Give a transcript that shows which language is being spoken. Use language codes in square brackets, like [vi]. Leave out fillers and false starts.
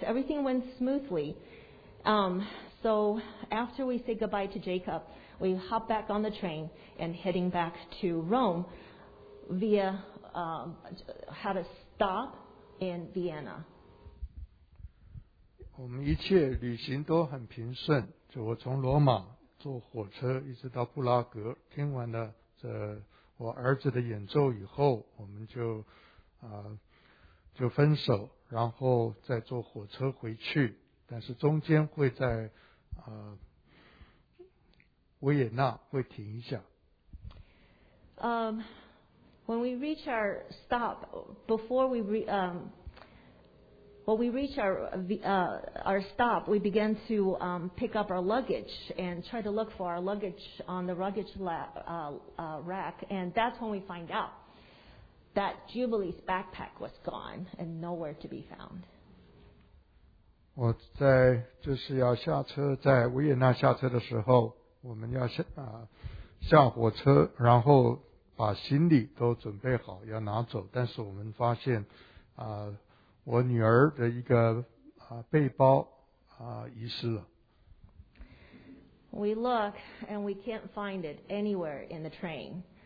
[en] Everything went smoothly. So after we say goodbye to Jacob, we hop back on the train and heading back to Rome via had a stop in Vienna. [zh] 我们一切旅行都很平顺，就我从罗马坐火车一直到布拉格，听完了这我儿子的演奏以后，我们就分手，然后再坐火车回去。但是中间会在维也纳会停一下。 [en] When we reach our stop, before we when we reach our stop, we began to pick up our luggage and try to look for our luggage on the luggage rack. And that's when we find out that Jubilee's backpack was gone and nowhere to be found. [zh] 我在就是要下车，在维也纳下车的时候，我们要下火车，然后把行李都准备好要拿走，但是我们发现我女儿的一个背包遗失了。 [en] We look and we can't find it anywhere in the train.